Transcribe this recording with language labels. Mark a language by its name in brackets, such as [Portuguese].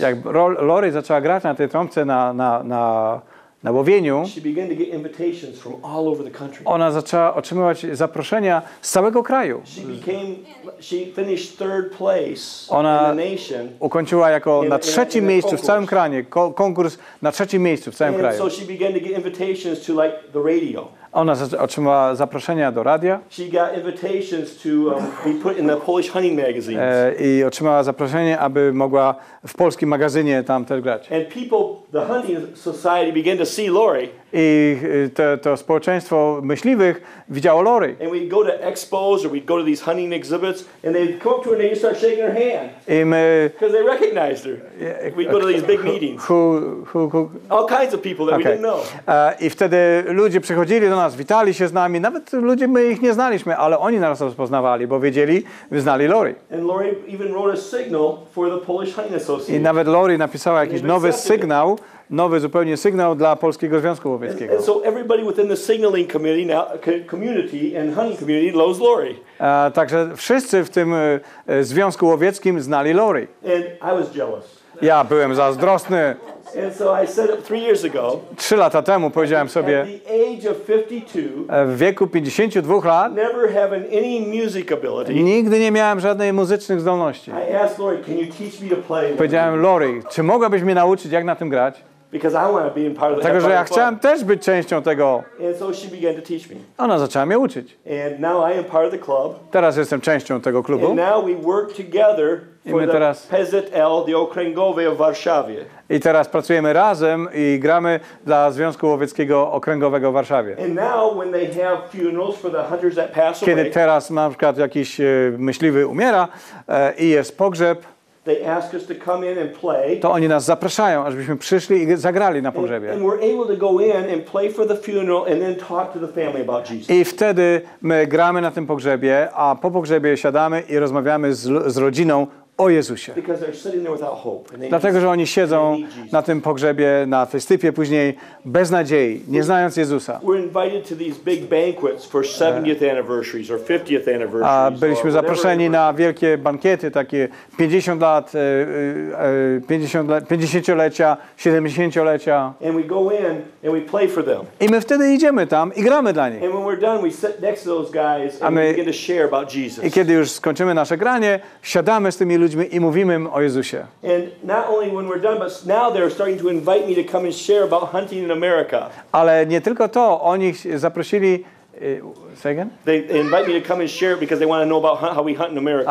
[Polish] jak Lori zaczęła grać na tej trąbce na łowieniu, [English] she began to get invitations from all over the country. [Polish] Ona zaczęła otrzymywać zaproszenia z całego kraju. [English] She finished third place [Polish] ona [English] in the nation [Polish] ukończyła jako na trzecim miejscu w całym kraju. Konkurs na trzecim miejscu w całym kraju. [English] So she began to get invitations to like the radio. [Polish] Ona otrzymała zaproszenia do radia. [English] She got invitations to be put in the Polish hunting magazines. [Polish] I otrzymała zaproszenie, aby mogła w polskim magazynie tam też grać. [English] And people, the hunting society began to see Lori. [Polish] I to społeczeństwo myśliwych widziało Lori. [English] And we'd go to expos or we'd go to these hunting exhibits and they'd come up to her and they'd start shaking her hand. Because they recognized her. We'd go to these big meetings. Who? All kinds of people that we didn't know. [Polish] I wtedy ludzie przychodzili do nas, witali się z nami, nawet ludzie my ich nie znaliśmy, ale oni nas rozpoznawali, bo wiedzieli, znali Lori. [English] And Lori even wrote a signal for the Polish Hunting Association. [Polish] I nawet Lori napisała jakiś nowy sygnał. Nowy zupełnie sygnał dla Polskiego Związku Łowieckiego. [English] So everybody within the signaling committee now community and hunting community knows Lori. [Polish] Także wszyscy w tym Związku Łowieckim znali Lori. [English] And I was jealous. [Polish] Ja byłem zazdrosny. [English] And so I said 3 years ago. [Polish] 3 lata temu powiedziałem sobie. [English] At the age of 52. [Polish] W wieku 52 lat. [English] Never having any music ability. [Polish] Nigdy nie miałem żadnej muzycznych zdolności. [English] I asked Lori, can you teach me to play? [Polish] Powiedziałem Lori, czy mogłabyś mnie nauczyć, jak na tym grać? [English] Because I want to be in part of the. [Polish] Tego, że ja chciałem też być częścią tego. [English] And so she began to teach me. [Polish] Ona zaczęła mnie uczyć. [English] And now I am part of the club. [Polish] Teraz jestem częścią tego klubu. [English] And now we work together. [Polish] I my teraz PZL, the Okręgowej w Warszawie. I teraz pracujemy razem i gramy dla Związku Łowieckiego Okręgowego w Warszawie. [English] And now when they have funerals for the hunters that pass away. [Polish] Kiedy teraz na przykład jakiś myśliwy umiera i jest pogrzeb. [English] They ask us to come in and play. [Polish] To oni nas zapraszają, abyśmy przyszli i zagrali na pogrzebie. [English] And we're able to go in and play for the funeral and then talk to the family about Jesus. [Polish] I wtedy my gramy na tym pogrzebie, a po pogrzebie siadamy i rozmawiamy z rodziną o Jezusie. [English] Because they're sitting there without hope. And they [Polish] dlatego, że oni siedzą na tym pogrzebie, na tej stypie później bez nadziei, nie znając Jezusa. [English] We're invited to these big banquets for 70th anniversaries or 50th anniversaries. [Polish] A byliśmy zaproszeni na wielkie bankiety takie 50-lecia, 70-lecia. [English] And we go in and we play for them. [Polish] I my wtedy idziemy tam i gramy dla nich. [English] And when we're done, we sit next to those guys and we begin to share about Jesus. [Polish] I kiedy już skończymy nasze granie, siadamy z tymi ludźmi i mówimy im o Jezusie. [English] And not only when we're done, but now they're starting to invite me to come and share about hunting in America. [Polish] Ale nie tylko to, oni zaprosili. [English] Say again? They invite me to come and share because they want to know about how we hunt in America.